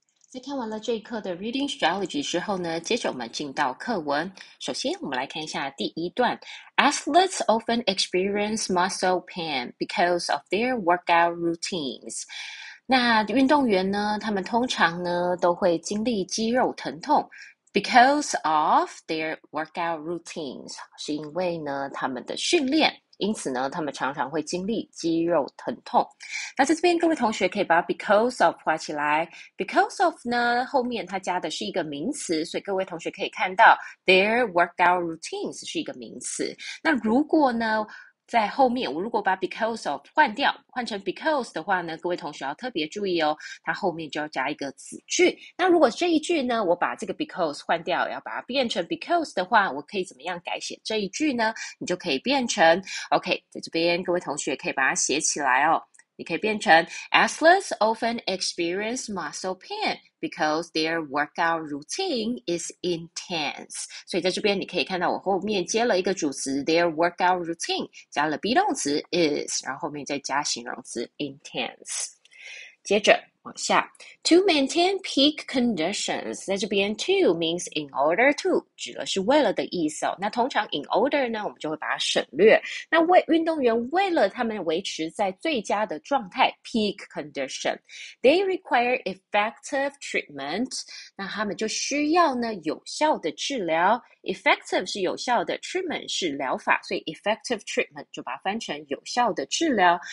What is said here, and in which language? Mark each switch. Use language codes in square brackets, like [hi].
[zh] 在看完了这一课的 [en] reading strategy [zh] 之后呢，接着我们进到课文。首先，我们来看一下第一段 [en] ：Athletes often experience muscle pain because of their workout routines。 [zh] 那运动员呢，他们通常呢都会经历肌肉疼痛 ， [en] because of their workout routines， [zh] 是因为呢他们的训练。因此呢，他们常常会经历肌肉疼痛。那在这边，各位同学可以把 because of 画起来。 because of 呢，后面它加的是一个名词，所以各位同学可以看到 [en] their workout routines [zh] 是一个名词。那如果呢，在后面，我如果把 because of 换掉，换成 because 的话呢，各位同学要特别注意哦，它后面就要加一个子句。那如果这一句呢，我把这个 because 换掉，要把它变成 because 的话，我可以怎么样改写这一句呢？你就可以变成 OK，在这边各位同学可以把它写起来哦。你可以变成 [en] Athletes often experience muscle pain because their workout routine is intense。 [zh] 所以在这边你可以看到我后面接了一个主词 [en] their workout routine， [zh] 加了 be 动词 is，然后后面再加形容词 intense。接着往下， [en] to maintain peak conditions， [zh] 在这边 to means [en] in order to， [zh] 指的是为了的意思哦。那通常 in order 呢，我们就会把它省略。那为运动员为了他们维持在最佳的状态 peak condition， [en] they require effective treatment。 [zh] 那他们就需要呢有效的治疗。effective 是有效的，treatment 是疗法，所以 [en] effective treatment [zh] 就把它翻成有效的治疗。